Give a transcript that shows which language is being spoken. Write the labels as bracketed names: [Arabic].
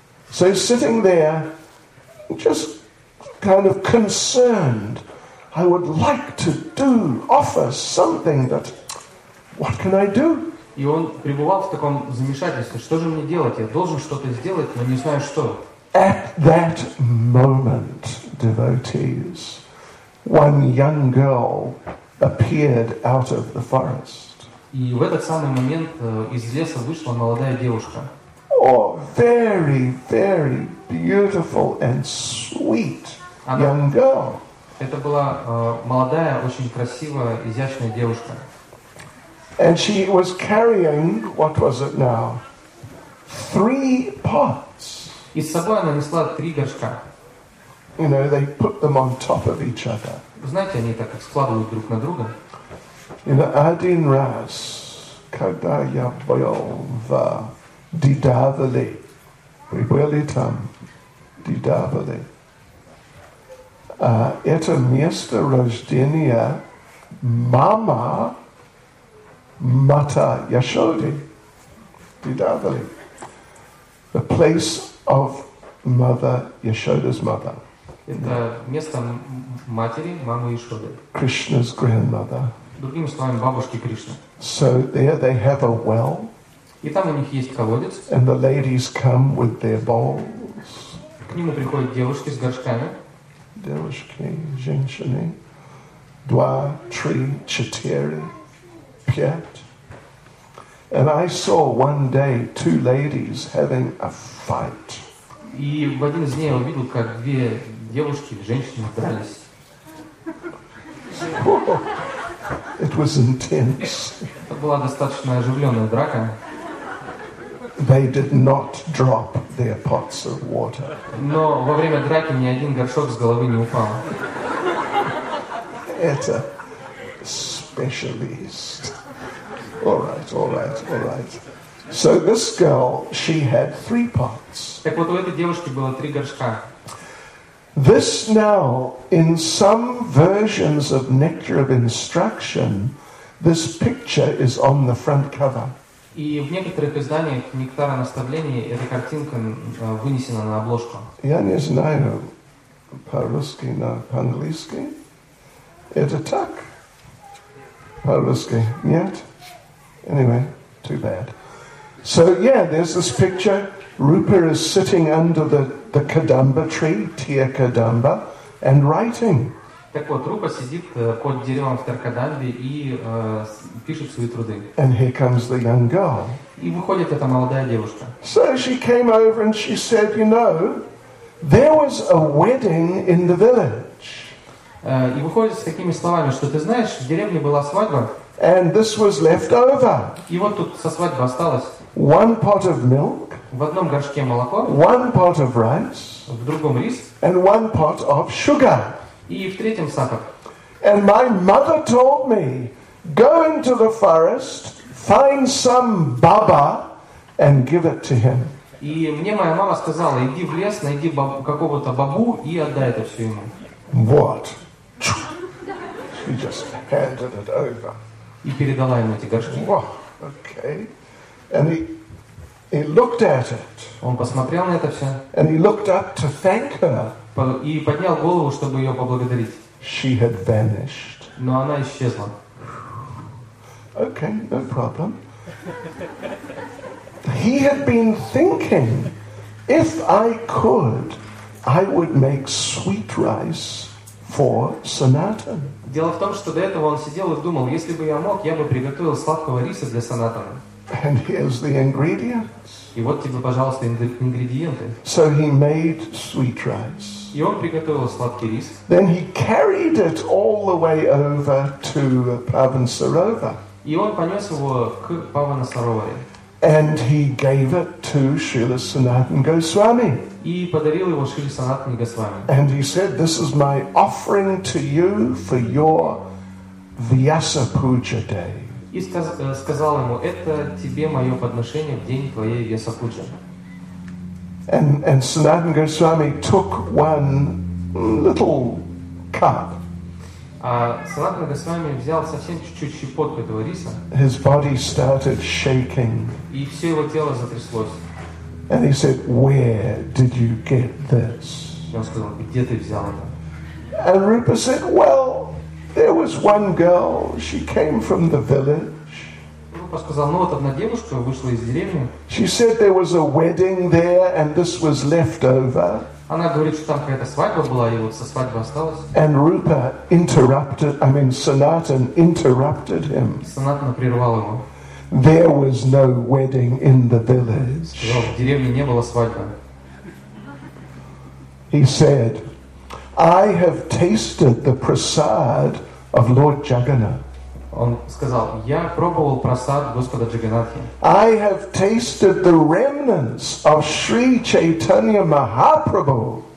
[English] So sitting there, just kind of concerned, I would like to do, offer something, but what can I do? [Russian] И он пребывал в таком замешательстве: что же мне делать? Я должен что-то сделать, но не знаю что. [English] At that moment, devotees, one young girl appeared out of the forest. [Russian] И в этот самый момент из леса вышла молодая девушка. [English] Oh, very, very beautiful and sweet young girl. [Russian] Это была молодая, очень красивая, изящная девушка. [English] And she was carrying, what was it now? 3 pots. [Russian] И с собой она несла 3 горшка. [English] You know, they put them on top of each other. [Russian] Знаете, они так складывают друг на друга. [English] You know, [Russian] один раз, когда я был в Дидавали, [English] we will eat them, [Russian] Дидавали. Это место рождения мама Мата Яшоди, Дидавали, [English] the place of Mother Yashoda's mother. [Russian] Это место матери мамы Яшоды. [English] Krishna's grandmother. [Russian] Другими словами, бабушки Кришны. [English] So there they have a well. [Russian] И там у них есть колодец. [English] And the ladies come with their bowls. [Russian] К нему приходят девушки с горшками. Девушки, женщины, 2, 3, 4, 5. [English] And I saw one day 2 ladies having a fight. [Russian] И в один из дней я увидел, как 2 девушки, женщины дрались. [English] It was intense. [Russian] Это была достаточно оживленная драка. [English] They did not drop their pots of water. [Russian] Но во время драки ни один горшок с головы не упал. Это специалист. [English] All right. So this girl, she had 3 pots. [Russian] Так вот, у этой девушки было 3 горшка. [English] This now, in some versions of Nectar of Instruction, this picture is on the front cover. [Russian] И в некоторых изданиях «Нектара наставлений» эта картинка вынесена на обложку. Я не знаю по-русски, но по-английски это так. По-русски нет. [English] Anyway, too bad. So, yeah, there's this picture. Rupa is sitting under the Kadamba tree, Тиркадамба, and writing. [Russian] Так вот, Рупа сидит под деревом в Тиркадамбе и пишет свои труды. [English] And here comes the young girl. [Russian] И выходит эта молодая девушка. [English] So she came over and she said, you know, there was a wedding in the village. [Russian] И выходит с такими словами, что ты знаешь, в деревне была свадьба. [English] And this was left over. [Russian] И вот тут со свадьбы осталось. [English] One pot of milk. [Russian] В одном горшке молоко. [English] One pot of rice. [Russian] В другом рис. [English] And one pot of sugar. [Russian] И в третьем сахар. [English] And my mother told me, go into the forest, find some baba, and give it to him. [Russian] И мне моя мама сказала, иди в лес, найди какого-то бабу и отдай это все ему. [English] What? She just handed it over. [Russian] И передала ему эти горшки. [English] Wow, okay. And he looked at it. [Russian] Он посмотрел на это все. [English] And he looked up to thank her. [Russian] И поднял голову, чтобы ее поблагодарить. [English] She had vanished. [Russian] Но она исчезла. [English] Okay, no problem. He had been thinking, if I could, I would make sweet rice for Sanatan. [Russian] Дело в том, что до этого он сидел и думал, если бы я мог, я бы приготовил сладкого риса для Санатана. [English] And here's the ingredients. [Russian] И вот тебе, пожалуйста, ингредиенты. [English] So he made sweet rice. [Russian] И он приготовил сладкий рис. [English] Then he carried it all the way over to Pavansarova. [Russian] И он понес его к Павансаровой. [English] And he gave it to Srila Sanatan Goswami. [Russian] И подарил его Шри Санатане Госвами. [English] And he said, this is my offering to you for your Vyasa Puja day. [Russian] И сказал ему, это тебе мое подношение в день твоей Vyasa Puja. [English] And Sanatan Goswami took one little cup. [Russian] А Санатана Госвами взял совсем чуть-чуть щепотку этого риса. [English] His body started shaking. [Russian] И все его тело затряслось. [English] And he said, where did you get this? [Russian] Он сказал, где ты взял это? [English] And Rupa said, well, there was one girl, she came from the village. [Russian] Рупа сказал, ну вот одна девушка вышла из деревни. [English] She said there was a wedding there and this was left over. [Russian] Она говорит, что там какая-то свадьба была, и вот со свадьбы осталось. [English] And Rupa interrupted, I mean, Sanatan interrupted him. [Russian] Санатана прервал его. [English] There was no wedding in the village. [Russian] Сказал, в деревне не было свадьбы. [English] He said, I have tasted the prasad of Lord Jagannath. [Russian] Он сказал, я пробовал прасад Господа Джаганатхи. [English] I have tasted the remnants of Sri Chaitanya Mahaprabhu.